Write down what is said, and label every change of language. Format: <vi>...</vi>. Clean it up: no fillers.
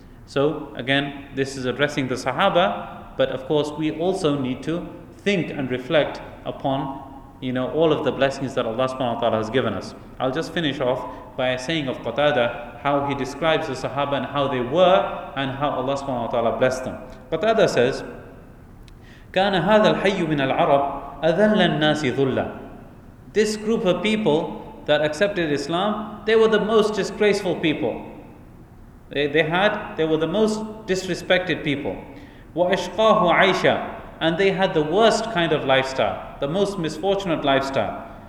<en>So again, this is addressing the Sahaba, but of course we also need to think and reflect upon, you know, all of the blessings that Allah subhanahu wa ta'ala has given us. I'll just finish off by saying of Qatada how he describes the Sahaba and how they were and how Allah subhanahu wa ta'ala blessed them. Qatada says,</en> <ar>كان هذا الحي من العرب أذل الناس ذلا.</ar> <en>This group of people that accepted Islam, they were the most disgraceful people. They were the most disrespected people.</en> <ar>وَأَشْقَاهُ عَيْشًا.</ar> <en>And they had the worst kind of lifestyle, the most misfortunate lifestyle.</en>